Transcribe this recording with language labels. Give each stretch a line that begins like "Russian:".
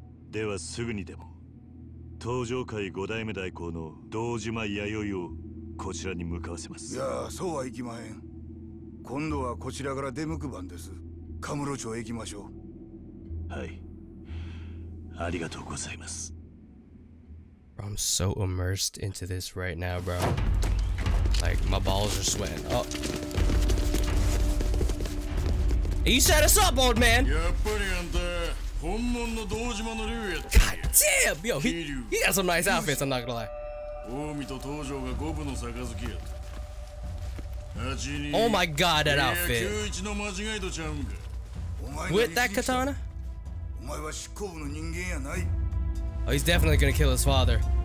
Japanese: ではすぐにでも東条会五代目代行の堂島弥生をこちらに向かわせます。いや、そうはいきまへん。今度はこちらから出向く番です。神室町へ行きましょう。はい、ありがとうございます。
English: I'm so immersed into this right now, bro. Like, my balls are sweating. Oh, hey, you set us up, old man!
Japanese: やっぱりあんた本物の堂島の竜やった。
English: Damn! Yo, he got some nice outfits, I'm not gonna lie.
Japanese: 近江と東条が五分の杯やった。
English: Oh my god, that outfit!
Japanese: 九一の間違いとちゃうんか。
English: With that katana?
Japanese: お前は執行部の人間やない。
English: Oh, he's definitely gonna kill his father.